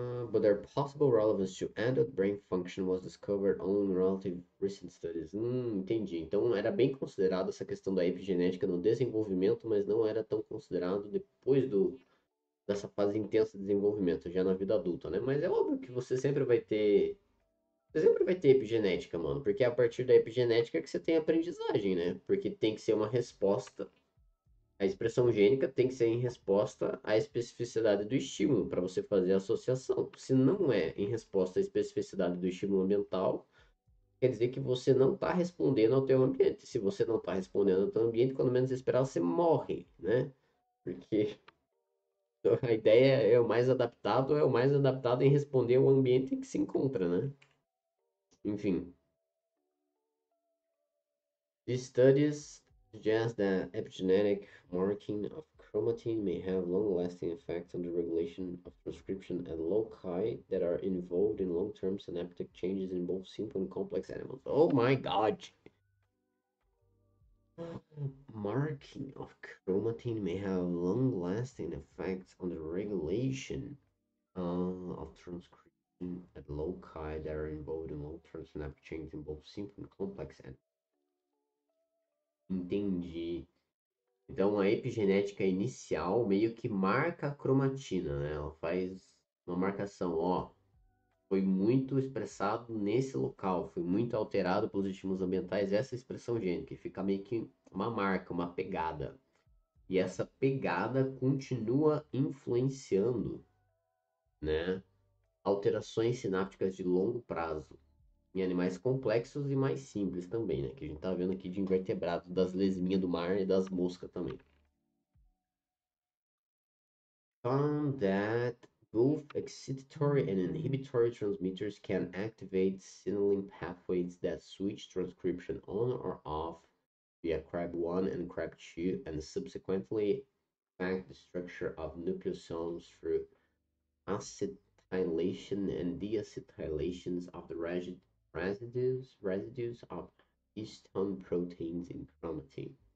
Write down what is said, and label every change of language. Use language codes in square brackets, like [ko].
[en] But their possible relevance to adult brain function was discovered only in relative recent studies. [pt] Entendi. Então era bem considerada essa questão da epigenética no desenvolvimento, mas não era tão considerado depois dessa fase intensa de desenvolvimento, já na vida adulta, né? Mas é óbvio que você sempre vai ter epigenética, mano, porque é a partir da epigenética que você tem aprendizagem, né? Porque tem que ser uma resposta. A expressão gênica tem que ser em resposta à especificidade do estímulo para você fazer a associação. Se não é em resposta à especificidade do estímulo ambiental, quer dizer que você não está respondendo ao teu ambiente. Se você não está respondendo ao teu ambiente, quando menos esperar, você morre, né? Porque a ideia é o mais adaptado em responder ao ambiente em que se encontra, né? Enfim. [en] Studies suggest that epigenetic marking of chromatin may have long-lasting effects on the regulation of transcription at loci that are involved in long-term synaptic changes in both simple and complex animals. Oh my God! Marking of chromatin may have long-lasting effects on the regulation of transcription at loci that are involved in long-term synaptic changes in both simple and complex animals. [pt] Entendi. Então a epigenética inicial meio que marca a cromatina, né? Ela faz uma marcação, ó. Foi muito expressado nesse local, foi muito alterado pelos estímulos ambientais essa expressão gênica, que fica meio que uma marca, uma pegada. E essa pegada continua influenciando, né, alterações sinápticas de longo prazo. Em animais complexos e mais simples também, né? Que a gente tá vendo aqui de invertebrado, das lesminhas do mar e das moscas também. [en] Found that both excitatory and inhibitory transmitters can activate signaling pathways that switch transcription on or off via CREB1 and CREB2 and subsequently affect the structure of nucleosomes through acetylation and deacetylations of the residues of histone proteins in chromatin.